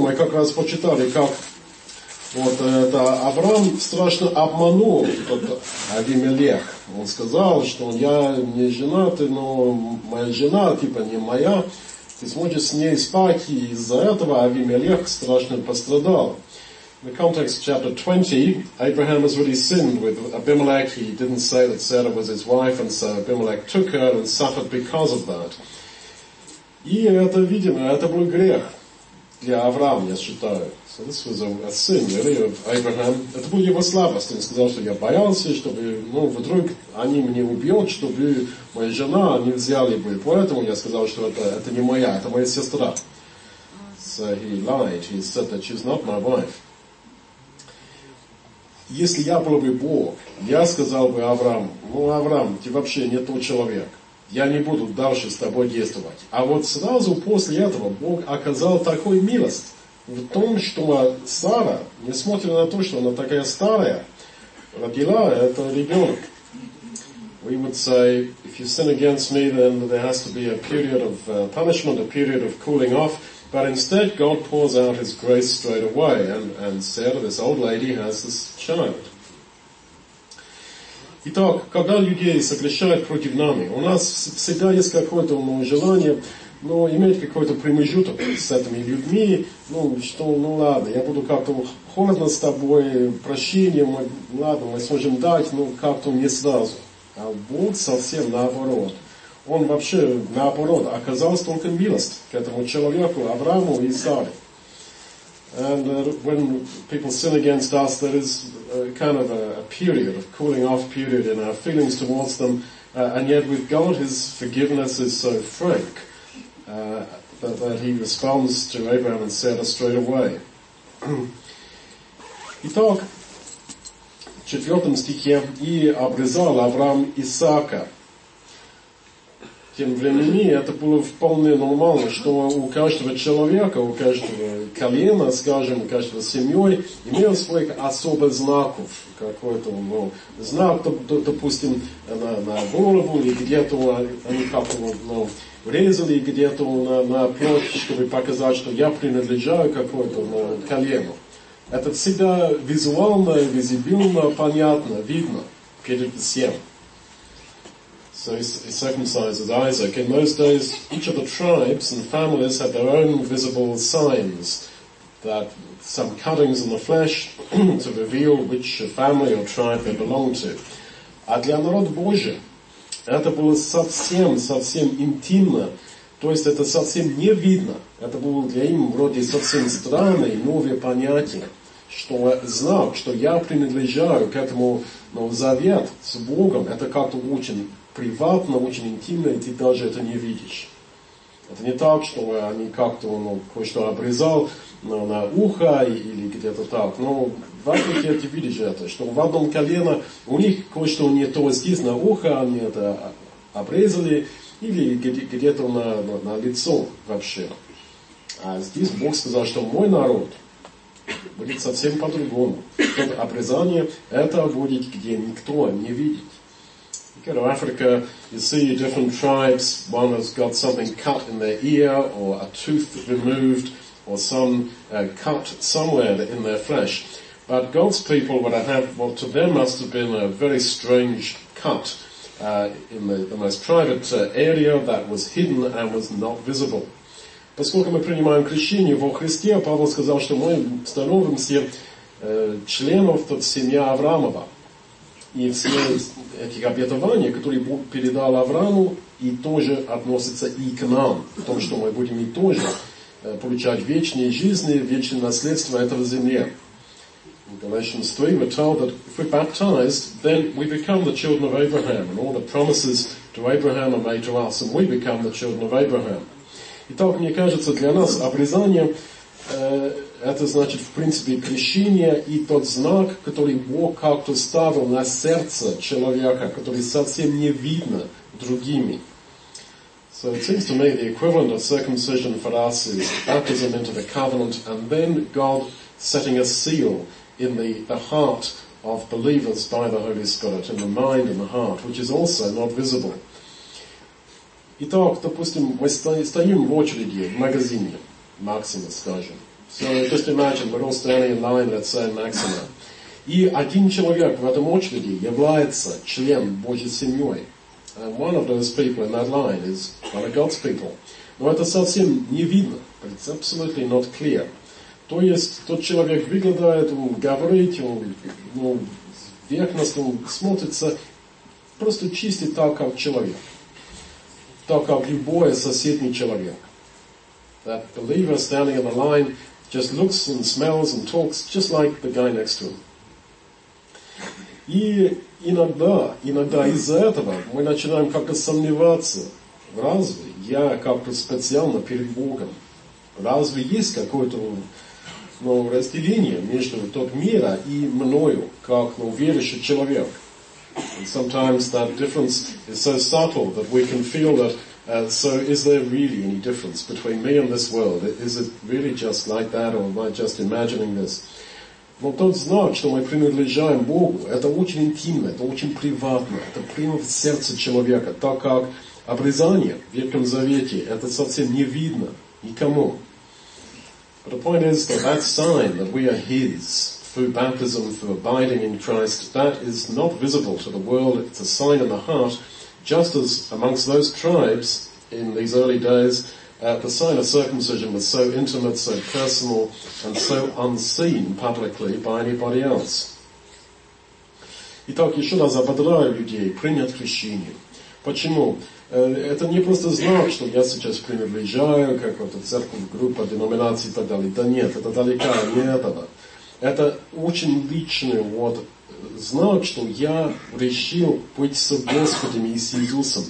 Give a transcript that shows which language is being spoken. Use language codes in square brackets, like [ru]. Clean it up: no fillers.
[ru] Мы как раз почитали, как вот это Авраам страшно обманул этот Авимелех. Он сказал, что я не женат, но моя жена типа не моя. Ты сможешь с ней спать, и из-за этого Авимелех страшно пострадал. [en] In the context of chapter 20, Abraham has really sinned with Abimelech. He didn't say that Sarah was his wife, and so Abimelech took her and suffered because of that. [ru] И это, видимо, это был грех для Авраама, я считаю. [en] So this was a sin, really, of Abraham. [ru] Это была его слабость. Он сказал, что я боялся, чтобы, ну, вдруг они меня убьют, чтобы моя жена не взяли бы. Поэтому я сказал, что это не моя, это моя сестра. [en] So he lied. He said that she's not my wife. [ru] Если я был бы Бог, я сказал бы Аврааму, ну, Авраам, ты вообще не тот человек. Я не буду дальше с тобой действовать. А вот сразу после этого Бог оказал такую милость в том, что Сара, несмотря на то, что она такая старая, родила этого ребенка. [en] We would say, if you sin against me, then there has to be a period of punishment, a period of cooling off. But instead, God pours out His grace straight away, and Sarah, this old lady, has this child. [ru] Итак, когда людей согрешают против нами, у нас всегда есть какое-то желание, ну, иметь какой-то промежуток с этими людьми, ну, что, ну, ладно, я буду как-то холодно с тобой, прощение, мы, ладно, мы сможем дать, но как-то не сразу. А Бог совсем наоборот. Он вообще, наоборот, оказал столько милости к этому человеку, Аврааму и Саре. [en] And when people sin against us, there is kind of a period, a cooling off period in our feelings towards them. And yet with God, His forgiveness is so frank that He responds to Abraham and Sarah straight away. [ru] Итак, в 4 стихе, «И обрезал Авраам Исаака». Тем временем это было вполне нормально, что у каждого человека, у каждого колена, скажем, у каждого семьи имел своих особых знаков. Какой-то, ну, знак, допустим, на голову, и где-то они как-то, ну, резали, где-то на плоть, чтобы показать, что я принадлежаю какой-то, ну, колену. Это всегда визуально, визибильно, понятно, видно перед всем. [en] So he circumcises Isaac. In those days, each of the tribes and families had their own visible signs, that some cuttings in the flesh to reveal which family or tribe they belonged to. [ru] А для народа Божия это было совсем, совсем интимно. То есть это совсем не видно. Это было для им вроде совсем странное, новое понятие, что знак, что я принадлежаю к этому, ну, завет с Богом, это как-то очень приватно, очень интимно, и ты даже это не видишь. Это не так, что они как-то, ну, кое-что обрезал, ну, на ухо или где-то так. Но в Африке ты видишь это, что в одном колено у них кое-что не то, здесь на ухо они это обрезали, или где-то на лицо вообще. А здесь Бог сказал, что мой народ будет совсем по-другому. Тут обрезание это будет, где никто не видит. [en] You go to Africa, you see different tribes, one has got something cut in their ear, or a tooth removed, or some cut somewhere in their flesh. But God's people would have had what to them must have been a very strange cut in the most private area that was hidden and was not visible. [ru] Поскольку мы принимаем крещение во Христе, Павел сказал, что мы становимся членов тот семьи Авраамова. И все эти обетования, которые Бог передал Аврааму, и тоже относятся и к нам. В том, что мы будем и тоже получать вечные жизни, вечное наследство этого земле. [en] In Galatians 3, we're told that if we're baptized, then we become the children of Abraham. And all the promises to Abraham are made to us, and we become the children of Abraham. [ru] Итак, мне кажется, для нас обрезание... Это значит, в принципе, крещение и тот знак, который Бог как-то ставил на сердце человека, который совсем не видно другими. [en] So it seems to me the equivalent of circumcision for us is baptism into the covenant and then God setting a seal in the heart of believers by the Holy Spirit, in the mind and the heart, which is also not visible. [ru] Итак, допустим, мы стоим в очереди в магазине Максима, скажем. [en] So just imagine, we're all standing in line, let's say, Maxima. [ru] И один человек в этом очереди является членом Божьей семьей. [en] And one of those people in that line is one of God's people. [ru] Но это совсем не видно. [en] It's absolutely not clear. [ru] То есть, тот человек выглядит, он говорит, он верхностно смотрится, просто чистит так, как человек. Так, как любой соседний человек. [en] That believer standing in the line just looks and smells and talks just like the guy next to him. [ru] И иногда из-за этого мы начинаем как-то сомневаться, разве я как-то специально перед Богом, разве есть какое-то разделение между тот мира и мною, как верующий человек. [en] And sometimes that difference is so subtle that we can feel that, so is there really any difference between me and this world? Is it really just like that, or am I just imagining this? [ru] Но тот знак, что мы принадлежаем Богу, это очень интимно, это очень приватно, это прямо в сердце человека, так как обрезание в Ветхом Завете, это совсем не видно никому. [en] But the point is that sign that we are His through baptism, through abiding in Christ, that is not visible to the world, it's a sign in the heart, just as amongst those tribes in these early days, the sign of circumcision was so intimate, so personal, and so unseen publicly by anybody else. [ru] Итак, еще раз ободряю людей принять крещение. Почему? Это не просто знак, что я сейчас принадлежаю к какой-то церкви, группе, деноминации и так далее. Да нет, это далеко не этого. Это очень личный знак, что я решил быть с Господом и с Иисусом.